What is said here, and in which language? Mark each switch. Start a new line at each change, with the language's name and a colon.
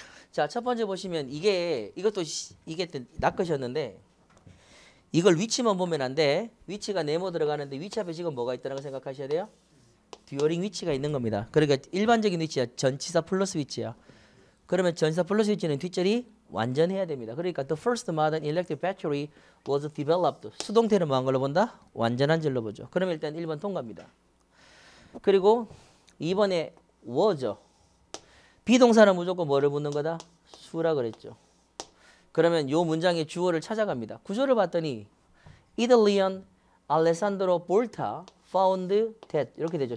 Korean: 자, 첫 번째 보시면 이게 낚으셨는데, 이걸 위치만 보면 안 돼. 위치가 네모 들어가는데 위치 앞에 지금 뭐가 있다라고 생각하셔야 돼요. 듀어링 위치가 있는 겁니다. 그러니까 일반적인 위치야 전치사 플러스 위치야. 그러면 전치사 플러스 위치는 뒷절이 완전해야 됩니다. 그러니까
English: the first modern electric battery was developed.
Korean: 수동태는 뭐한 걸로 본다? 완전한 절로 보죠. 그러면 일단 1번 통과입니다. 그리고 2번에 was죠. 비동사는 무조건 뭐를 묻는 거다? 수라 그랬죠. 그러면 요 문장의 주어를 찾아갑니다. 구조를 봤더니 이탈리안 알레산드로 볼타
English: found that
Korean: 이렇게 되죠.